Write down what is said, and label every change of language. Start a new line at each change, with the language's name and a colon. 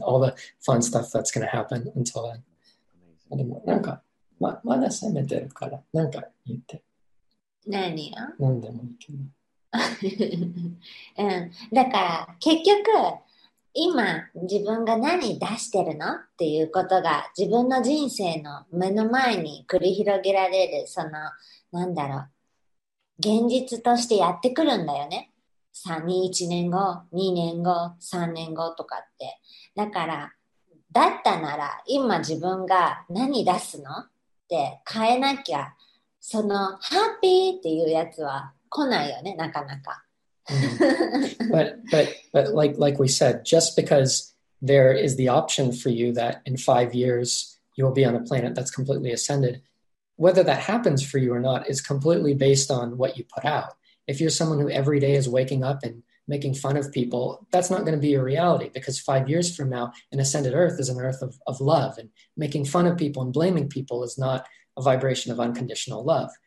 English: All the fun stuff that's going to happen until then.
Japanese: でもなんかまだ攻めてるからなんか言って。何よ？何でもいいけど。うん。だから、結局、今、自分が何出してるのっていうことが、自分の人生の目の前に繰り広げられる、その、なんだろう、現実としてやってくるんだよね。 1年後、2年後、3年後とかって。だから、だったなら、今自分が何出すのって変えなきゃ、そのハッピーっていうやつは来ないよね、なかなか。
English: But like we said, just because there is the option for you that in 5 years you will be on a planet that's completely ascended, whether that happens for you or not is completely based on what you put out. If you're someone who every day is waking up and making fun of people, that's not going to be your reality, because 5 years from now, an ascended Earth is an Earth of love, and making fun of people and blaming people is not a vibration of unconditional love.